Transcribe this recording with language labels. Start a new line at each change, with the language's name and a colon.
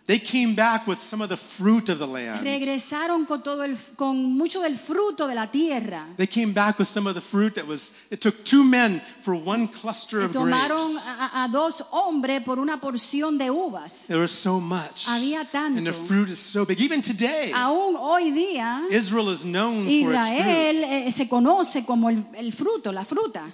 English: They came back with some of the fruit of the land.
Spanish: Regresaron con todo el, con mucho del fruto de la tierra.
English: They came back with some of the fruit that was, it took two men for one cluster of
Spanish: tomaron
English: grapes.
Spanish: Tomaron a dos hombres por una porción de uvas.
English: There was so much.
Spanish: Había tanto.
English: And the fruit is so big. Even today,
Spanish: aún hoy día,
English: Israel is known
Spanish: Israel
English: for its fruit.
Spanish: Israel se conoce como el fruto, la fruta.